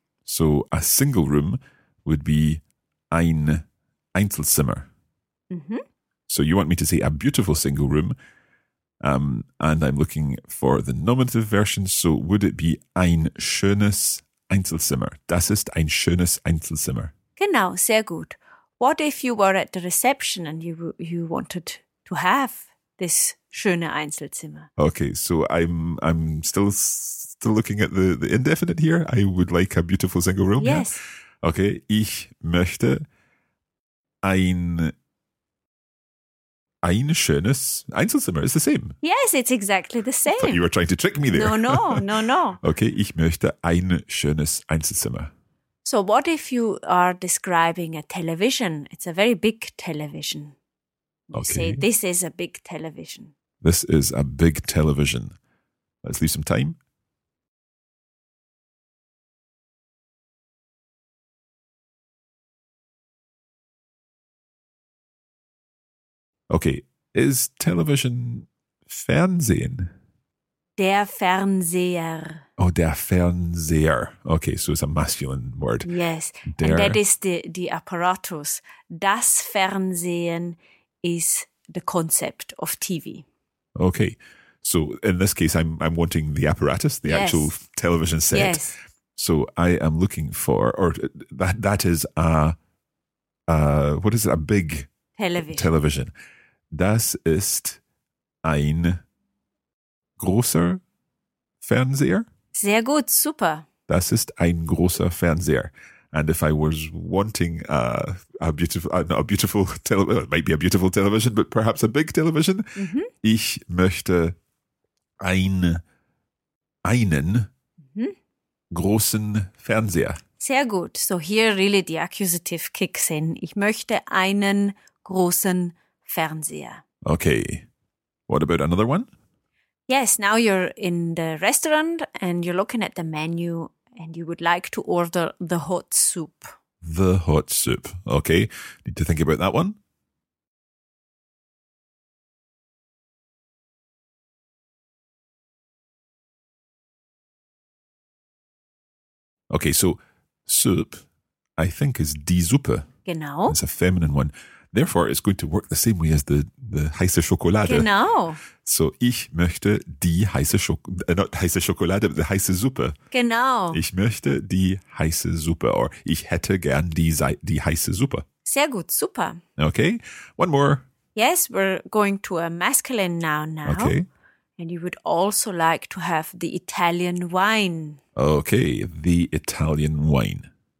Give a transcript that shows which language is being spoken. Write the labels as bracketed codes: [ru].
[en] So a single room would be [de] ein Einzelzimmer. Mm-hmm. [en] So you want me to say a beautiful single room, and I'm looking for the nominative version. So would it be [de] ein schönes Einzelzimmer? Das ist ein schönes Einzelzimmer. Genau, sehr gut. [en] What if you were at the reception and you wanted to have this [de] schöne Einzelzimmer? [en] Okay, so I'm still looking at the indefinite here. I would like a beautiful single room. Yes. Yeah. [de] Okay, ich möchte ein schönes Einzelzimmer. [en] It's the same. Yes, it's exactly the same. I thought you were trying to trick me there. No. [de] Okay, ich möchte ein schönes Einzelzimmer. [en] So what if you are describing a television? It's a very big television. You okay. Say, this is a big television. This is a big television. Let's leave some time. Okay, is television Fernsehen? [de] Der Fernseher. Oh, der Fernseher. [en] Okay, so it's a masculine word. Yes, der. And that is the apparatus. [de] Das Fernsehen [en] is the concept of TV. Okay, so in this case, I'm wanting the apparatus, the yes. actual television set. Yes. So I am looking for, or that is a, what is it, a big television. [de] Das ist ein großer Fernseher. Sehr gut, super. Das ist ein großer Fernseher. [en] And if I was wanting a beautiful television, but perhaps a big television. Mm-hmm. [de] Ich möchte einen mm-hmm. großen Fernseher. Sehr gut. [en] So here really the accusative kicks in. [de] Ich möchte einen großen Fernseher. [en] Okay. What about another one? Yes, now you're in the restaurant and you're looking at the menu and you would like to order the hot soup. The hot soup. Okay, need to think about that one. Okay, so soup, I think, is [de] die Suppe. Genau. [en] It's a feminine one. Therefore, it's going to work the same way as the [de] heiße Schokolade. Genau. So, ich möchte die heiße Schokolade, [en] not [de] heiße Schokolade, [en] but the [de] heiße Suppe. Genau. Ich möchte die heiße Suppe, or ich hätte gern die heiße Suppe. Sehr gut, super. [en] Okay, one more. Yes, we're going to a masculine now. Okay. And you would also like to have the Italian wine. Okay, the Italian wine.